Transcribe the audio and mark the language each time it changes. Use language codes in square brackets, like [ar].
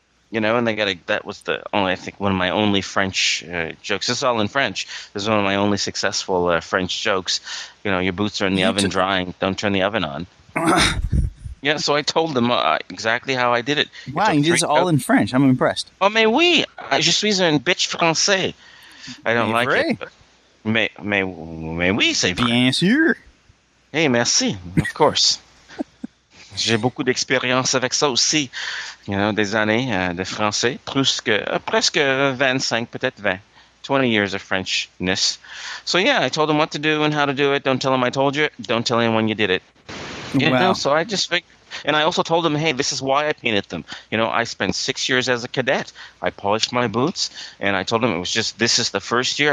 [en] You know, and they got that was the only, I think, one of my only French jokes. It's all in French. This is one of my only successful French jokes. You know, your boots are in the oven drying. Don't turn the oven on. Yeah, so I told them exactly how I did it. Wow, you did it all in French. I'm impressed. [fr] Oh, mais oui. Je suis un bitch français. [en] I don't like it. [fr] Mais oui, c'est vrai. Bien sûr. [en] Hey, merci. Of course. [fr] J'ai beaucoup d'expérience avec ça aussi. [en] You know, [fr] des années de français. Presque 25, peut-être 20. [en] 20 years of Frenchness. So, yeah, I told them what to do and how to do it. Don't tell them I told you. Don't tell anyone you did it. Wow. You know, so I just figured. And I also told them, hey, this is why I painted them. You know, I spent 6 years as a cadet. I polished my boots, and I told them it was just, this is the first year.